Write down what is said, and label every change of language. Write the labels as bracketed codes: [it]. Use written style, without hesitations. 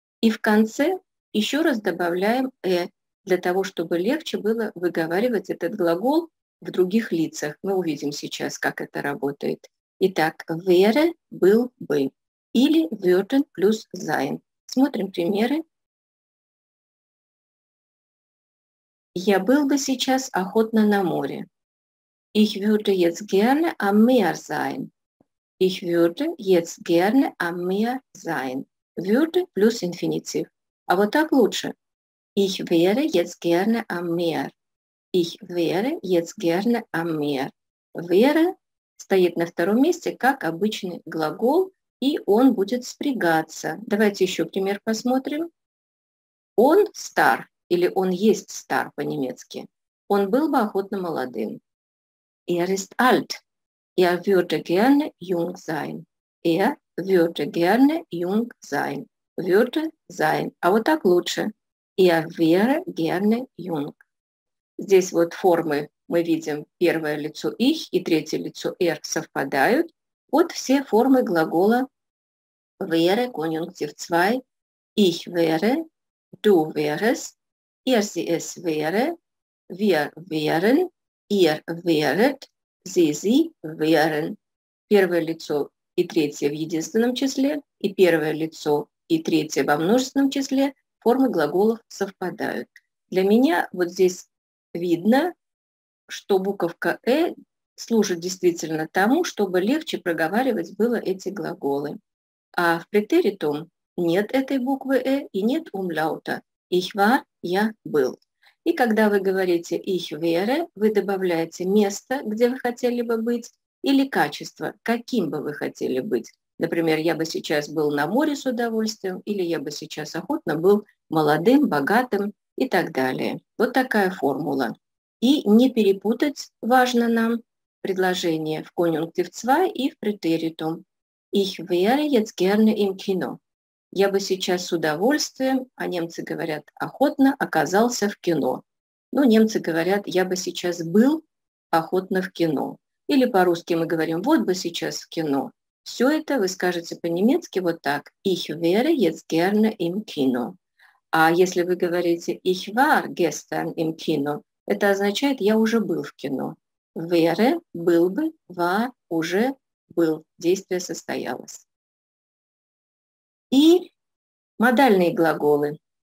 [ru] И в конце еще раз добавляем «э» для того, чтобы легче было выговаривать этот глагол в других лицах. Мы увидим сейчас, как это работает. Итак, «wäre» – «был» – «бы». Или würden плюс sein. Смотрим примеры. Я был бы сейчас охотно на море. [de] Ich würde jetzt gerne am Meer sein. Ich würde jetzt gerne am Meer sein. [ru] Würde плюс инфинитив. А вот так лучше. [de] Ich wäre jetzt gerne am Meer. Ich wäre jetzt gerne am Meer. [ru] Wäre стоит на втором месте, как обычный глагол. И он будет спрягаться. Давайте еще пример посмотрим. Он стар или он есть стар по-немецки. Он был бы охотно молодым. [de] Er ist alt. Er würde gerne jung sein. Er würde gerne jung sein. Würde sein. [ru] А вот так лучше. [de] Er wäre gerne jung. [ru] Здесь вот формы мы видим первое лицо ich и третье лицо er совпадают. Вот все формы глагола [de] wäre, конъюнктив 2, ich wäre, du wärest, er, sie, es wäre, wir wären, ihr wäret, sie wären. [ru] Первое лицо и третье в единственном числе, и первое лицо и третье во множественном числе, формы глаголов совпадают. Для меня вот здесь видно, что буковка «э» служит действительно тому, чтобы легче проговаривать было эти глаголы. А в претеритум нет этой буквы «э» и нет умляута. [de] «Ich war» [ru] – «я был». И когда вы говорите [de] «ich wäre», [ru] вы добавляете место, где вы хотели бы быть, или качество, каким бы вы хотели быть. Например, «я бы сейчас был на море с удовольствием», или «я бы сейчас охотно был молодым, богатым» и так далее. Вот такая формула. И не перепутать важно нам предложение в конъюнктив 2 и в претеритум. [de] Ich wäre jetzt gerne im Kino. [ru] Я бы сейчас с удовольствием, а немцы говорят охотно, оказался в кино. Ну, немцы говорят, я бы сейчас был охотно в кино. Или по-русски мы говорим, вот бы сейчас в кино. Все это вы скажете по-немецки вот так. [de] Ich wäre jetzt gerne im Kino. [ru] А если вы говорите, [de] ich war gestern im Kino, [ru] это означает, я уже был в кино. Wäre, был бы, war, уже был. Действие состоялось. И модальные глаголы.